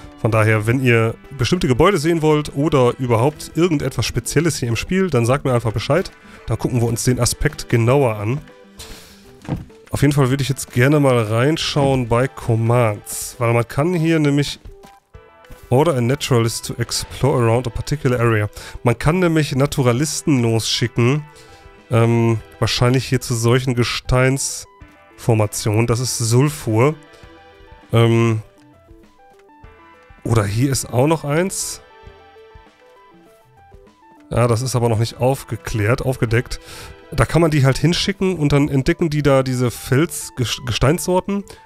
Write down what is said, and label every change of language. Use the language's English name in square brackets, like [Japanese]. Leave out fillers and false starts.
[German] Von daher, wenn ihr bestimmte Gebäude sehen wollt oder überhaupt irgendetwas Spezielles hier im Spiel, dann sagt mir einfach Bescheid. Da gucken wir uns den Aspekt genauer an. Auf jeden Fall würde ich jetzt gerne mal reinschauen bei Commands. Weil man kann hier nämlich... [English] Order a Naturalist to explore around a particular area. [German] Man kann nämlich Naturalisten losschicken. Wahrscheinlich hier zu solchen Gesteinsformationen. Das ist Sulfur. Oder hier ist auch noch eins. Ja, das ist aber noch nicht aufgedeckt. Da kann man die halt hinschicken und dann entdecken die da diese Felsgesteinssorten.